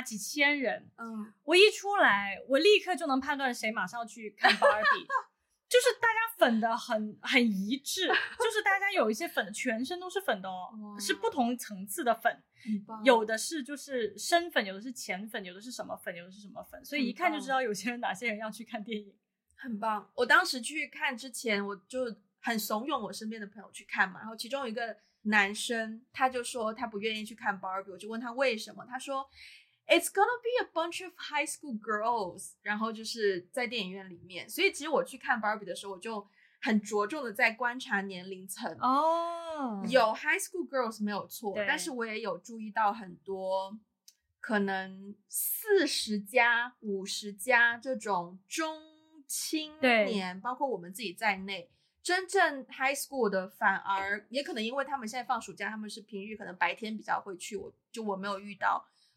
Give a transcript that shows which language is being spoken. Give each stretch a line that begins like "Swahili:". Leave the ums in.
Chinese: 几千人，嗯，我一出来，我立刻就能判断谁马上去看 Barbie， 就是大家粉的很很一致， 就是大家有一些粉全身都是粉的哦，是不同层次的粉，有的是就是深粉，有的是浅粉，有的是什么粉，有的是什么粉，所以一看就知道有些人哪些人要去看电影。很棒！我当时去看之前我就很怂恿我身边的朋友去看嘛，然后其中有一个男生他就说他不愿意去看 Barbie，我就问他为什么，他说。
English: It's gonna be a bunch of high school girls，
Chinese: 然后就是在电影院里面。所以其实我去看《Barbie》的时候，我就很着重的在观察年龄层哦。 Oh, 有
English: high school girls
Chinese: 没有错，但是我也有注意到很多可能四十加、五十加这种中青年，包括我们自己在内，真正 high school 的反而也可能因为他们现在放暑假，他们是平日可能白天比较会去，我就我没有遇到。